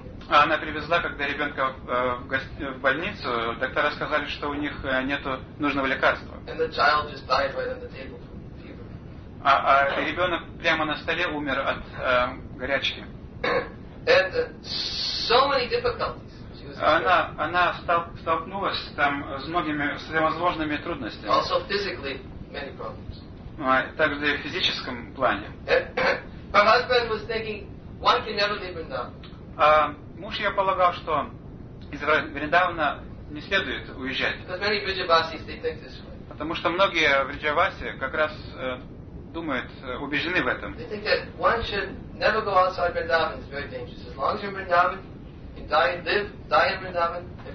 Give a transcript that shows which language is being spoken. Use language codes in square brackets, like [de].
[ru] Она привезла, когда ребенка в больницу, доктора сказали, что у них нету нужного лекарства. [en] And the child just died right on the table from fever. [ru] А ребенок прямо на столе умер от горячки. [en] And so many difficulties. [ru] Она столкнулась там с многими всевозможными трудностями. [en] Also physically. Many problems. [ru] Также и в физическом плане. [en] Her husband was thinking, one can never live Vrindavan. [ru] Муж ее полагал, что из Вриндавана не следует уезжать. [en] Because many Vrijavasis, they think this way. [ru] Потому что многие Vrijavasi как раз думают, убеждены в этом. [en] They think that one should never go outside Vrindavan. It's very dangerous. As long as you're in Vrindavan, you die in Vrindavan.